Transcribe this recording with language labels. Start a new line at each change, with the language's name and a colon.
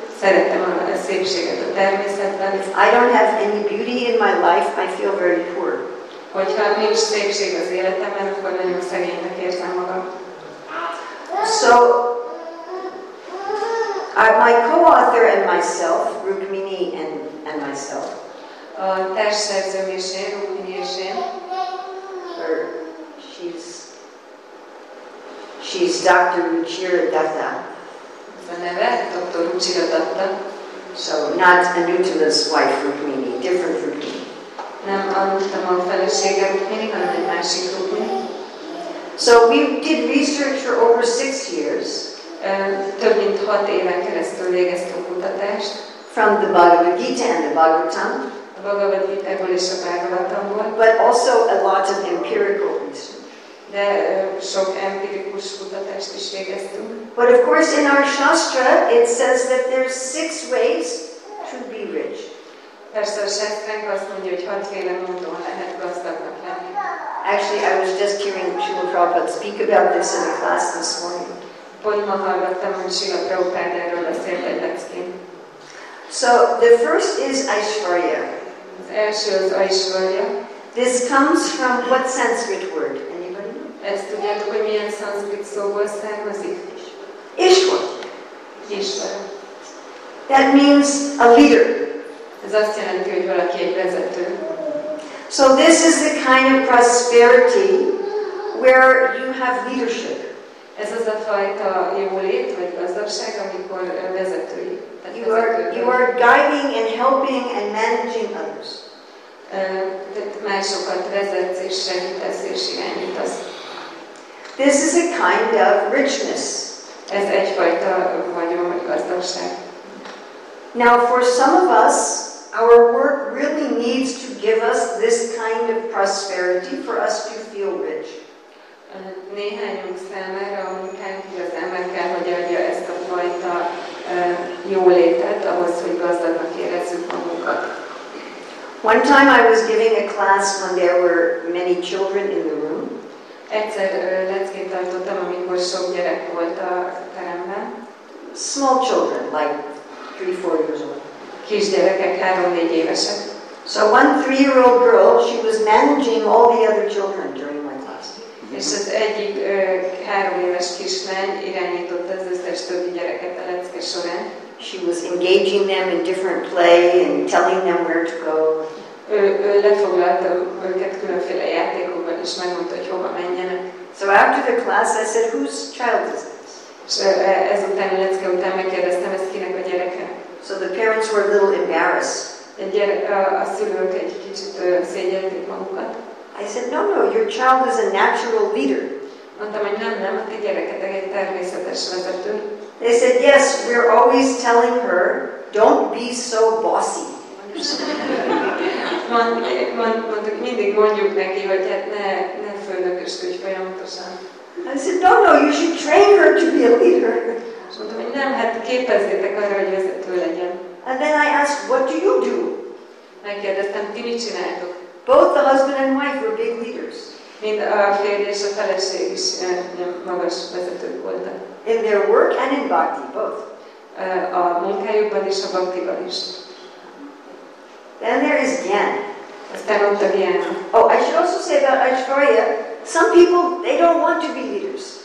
Hungarian: Szeretem a szépséget a természetben.
English: If I don't have any beauty in my life, I feel very poor.
Hungarian: Hogyha nincs szépség az életemben, akkor nagyon szegénynek érzem magam.
English: So, my co-author and myself, Rukmini and myself,
Hungarian: a társszerzőm és én, Rukmini és én,
English: or she's Dr. Ruchira Datta.
Hungarian: A neve Dr. Ruchira Datta.
English: So, not Anutala's wife, Rukmini, different Rukmini.
Hungarian: Nem Anutama a felesége Rukmini, hanem egy másik Rukmini.
English: So we did research for over 6 years.
Hungarian: Több mint 6 éven keresztül végeztünk kutatást.
English: From the Bhagavad Gita and the Bhagavatam.
Hungarian: A Bhagavad Gita-ból és a Bhagavatamból.
English: But also a lot of empirical research.
Hungarian: De sok empirikus kutatást is végeztünk.
English: But of course in our Shastra it says that there are 6 ways to be rich.
Hungarian: Persze a Shastránk azt mondja, hogy 6 féle módon lehet gazdagnak lenni.
English: Actually, I was just hearing Srila Prabhupada speak about this in a class this morning.
Hungarian: Pont ma hallgattam, hogy Srila Prabhupada erről beszélt egy leckén.
English: So, the first is Aishwarya.
Hungarian: Az első az Aishwarya.
English: This comes from what Sanskrit word? Anybody know?
Hungarian: Ezt tudjátok, hogy milyen Sanskrit szóval származik?
English: Ishwara.
Hungarian: Ishwara.
English: That means a leader.
Hungarian: Ez azt jelenti, hogy valaki egy vezető.
English: So this is the kind of prosperity where you have leadership.
Hungarian: Ez az a fajta jólét vagy gazdagság, amikor vezetői.
English: You are guiding and helping and managing others.
Hungarian: Tehát másokat vezetsz és segítesz és irányítasz.
English: This is a kind of richness.
Hungarian: Ez egyfajta vagyon vagy gazdagság.
English: Now for some of us, our work really needs to give us this kind of prosperity for us to feel rich.
Hungarian: Néhányunk számára a munkánk igazán kell, hogy adja ezt a fajta jólétet ahhoz, hogy gazdagnak érezzük magunkat.
English: One time I was giving a class when there were many children in the room.
Hungarian: Egyszer leckét tartottam, amikor sok gyerek volt a teremben.
English: Small children, like 3-4 years old.
Hungarian: Kisgyerekek, 3-4 évesek.
English: So one 3-year-old girl, she was managing all the other children during my class.
Hungarian: És az egyik 3 éves kislány irányított az összes többi gyereket a lecke során.
English: She was engaging them in different play and telling them where to go.
Hungarian: Ő lefoglalta őket különféle játékokban és megmondta, hogy hova menjenek.
English: So after the class I said, whose child is this?
Hungarian: Ezután a lecke után megkérdeztem, ez kinek a gyereke.
English: So the parents were a little embarrassed.
Hungarian: A szülők egy kicsit szégyellik magukat.
English: I said, no, your child is a natural leader.
Hungarian: Mondtam, hogy nem, a ti gyereketek egy természetes vezető.
English: They said, yes, we're always telling her, don't be so bossy.
Hungarian: Mondtuk, mindig mondjuk neki, hogy hát ne főnökösködj folyamatosan.
English: I said, no, you should train her to be a leader.
Hungarian: És mondtam, hogy nem, hát képezzétek arra, hogy vezető legyen.
English: And then I asked, what do you do?
Hungarian: Megkérdeztem, ti mit csináltok?
English: Both the husband and wife were big leaders.
Hungarian: Mind a férj és a feleség is magas vezetők voltak.
English: In their work and in bhakti, both.
Hungarian: A munkájukban és a bhaktiban is.
English: Then there is Gyan.
Hungarian: Aztán mondta Gyan.
English: Oh, I should also say about Aishwarya, some people, they don't want to be leaders.